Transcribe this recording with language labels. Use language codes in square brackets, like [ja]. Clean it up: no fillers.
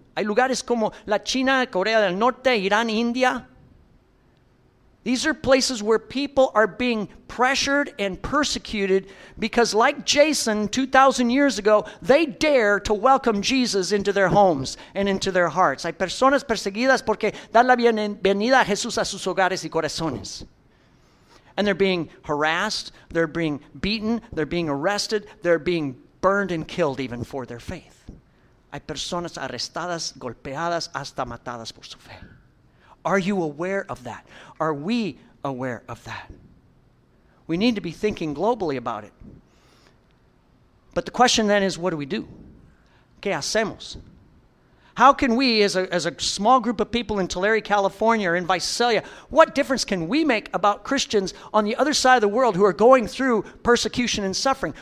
[es] Hay lugares como la China, Corea del Norte, Irán, India. [en] These are places where people are being pressured and persecuted because, like Jason 2,000 years ago, they dare to welcome Jesus into their homes and into their hearts. [es] Hay personas perseguidas porque dan la bienvenida a Jesús a sus hogares y corazones. [en] And they're being harassed, they're being beaten, they're being arrested, they're being burned and killed even for their faith. [es] Hay personas arrestadas, golpeadas, hasta matadas por su fe. [en] Are you aware of that? Are we aware of that? We need to be thinking globally about it. But the question then is, what do we do? [es] ¿Qué hacemos? [en] How can we, as a small group of people in Tulare, California, or in Visalia, what difference can we make about Christians on the other side of the world who are going through persecution and suffering?